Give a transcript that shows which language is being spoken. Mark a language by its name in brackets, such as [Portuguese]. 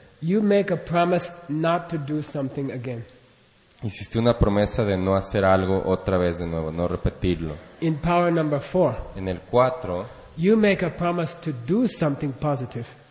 [English] You make a promise not to do something again. [Spanish] Hiciste una promesa de no hacer algo otra vez de nuevo, no repetirlo. [English] In power number four, [Spanish] en el cuatro, [English] You make a promise to do something positive.